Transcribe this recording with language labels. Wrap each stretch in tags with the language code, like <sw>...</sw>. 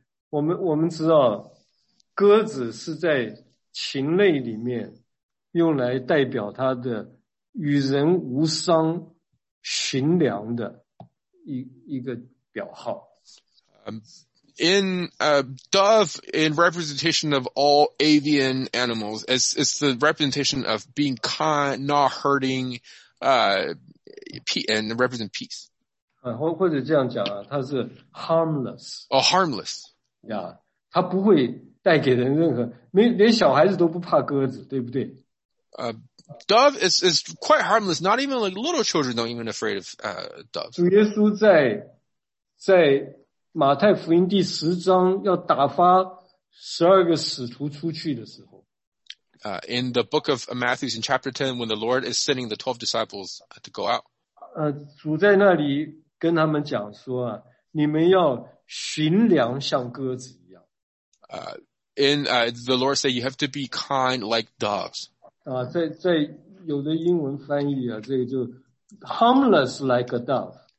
<zh>我们知道，鸽子是在禽类里面用来代表它的与人无伤、驯良的一个表号。</zh> <en>In a dove, in representation of all avian animals, it's the representation of being kind, not hurting, and represent peace.</en> <zh>或者这样讲啊，它是 harmless.</zh> <en>Oh, harmless.</en> <zh>Yeah, 它不会带给人任何，没连小孩子都不怕鸽子，对不对？</zh> <en>Dove is quite harmless. Not even like little children don't even afraid of doves.</en> <zh>主耶稣在马太福音第十章要打发十二个使徒出去的时候。</zh> <en>In the book of Matthew in chapter 10, when the Lord is sending the 12 disciples to go out.</en> <zh>主在那里跟他们讲说啊，你们要驯良像鸽子一样。</zh> <en>The Lord said, you have to be kind like doves.</en> <zh>在有的英文翻译啊，这个就</zh> <en>harmless like a dove.</en>